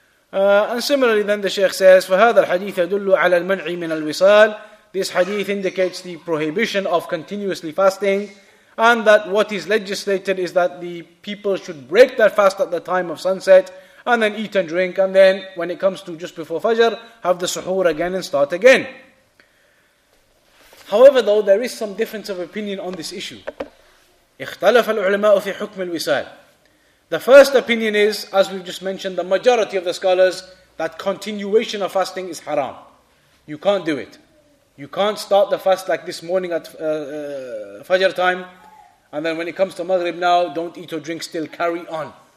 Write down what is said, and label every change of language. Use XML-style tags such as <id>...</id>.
<en>And similarly then the Shaykh says,</en> <ar>فَهَذَا الْحَدِيثَ يَدُلُّ عَلَى الْمَنْعِ مِنَ الْوِصَالِ</ar> <en>This hadith indicates the prohibition of continuously fasting, and that what is legislated is that the people should break their fast at the time of sunset, and then eat and drink, and then when it comes to just before Fajr, have the suhoor again and start again. However though, there is some difference of opinion on this issue.</en> <ar>اختلف العلماء في حكم الوصال.</ar> <en>The first opinion is, as we've just mentioned, the majority of the scholars, that continuation of fasting is haram. You can't do it. You can't start the fast like this morning at Fajr time, and then when it comes to Maghrib now, don't eat or drink still, carry on.</en>